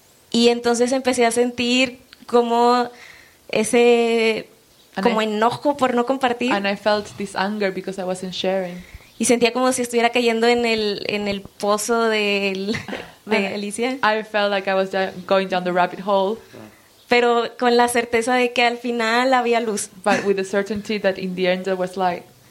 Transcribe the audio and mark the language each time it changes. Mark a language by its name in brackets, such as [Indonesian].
[Spanish] Y entonces empecé a sentir como ese como enojo por no compartir. [English] And I felt this anger because I wasn't sharing. [Spanish] Y sentía como si estuviera cayendo en el pozo de Alicia. [English] I felt like I was going down the rabbit hole. [Spanish] Pero con la certeza de que al final había luz. [English] But with the certainty that in the end there was light.